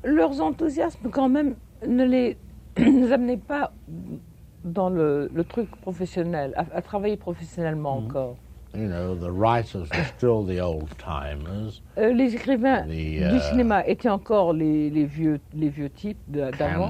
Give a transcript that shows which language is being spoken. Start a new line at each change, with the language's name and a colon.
French: Leurs enthousiasmes quand même ne les amenaient pas dans le truc professionnel, à travailler professionnellement encore.
English: You know, the writers were still the old-timers.
French: Les écrivains du cinéma étaient encore les vieux types d'avant.